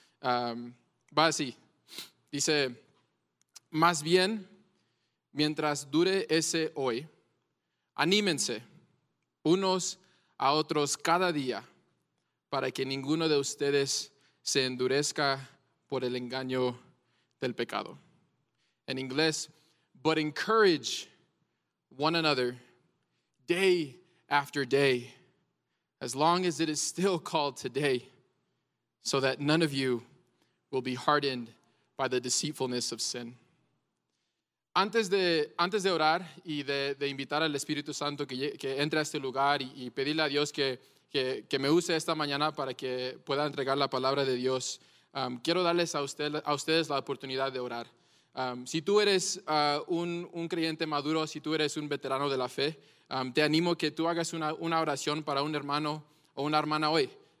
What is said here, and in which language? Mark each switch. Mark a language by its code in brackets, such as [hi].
[es] Va así, dice: más bien, mientras dure ese hoy, anímense unos a otros cada día para que ninguno de ustedes se endurezca por el engaño del pecado. En inglés, [en] but encourage one another day after day, as long as it is still called today, so that none of you will be hardened by the deceitfulness of sin. [es] Antes de orar y de invitar al Espíritu Santo que entre a este lugar y pedirle a Dios que me use esta mañana para que pueda entregar la palabra de Dios, quiero darles a ustedes la oportunidad de orar. Si tú eres un creyente maduro, si tú eres un veterano de la fe, te animo que tú hagas una oración para un hermano o una hermana hoy.